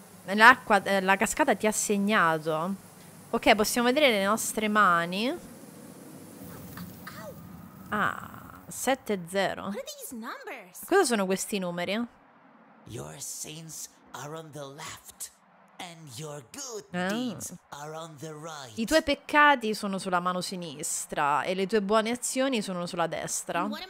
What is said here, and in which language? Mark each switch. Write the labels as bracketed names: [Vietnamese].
[Italian] L'acqua, la cascata ti ha segnato. Ok, possiamo vedere le nostre mani. Ah, 7-0. Cosa sono questi numeri? [English] Your sins are on the left and your good deeds are on the right. [Italian] I tuoi peccati sono sulla mano sinistra e le tue buone azioni sono sulla destra.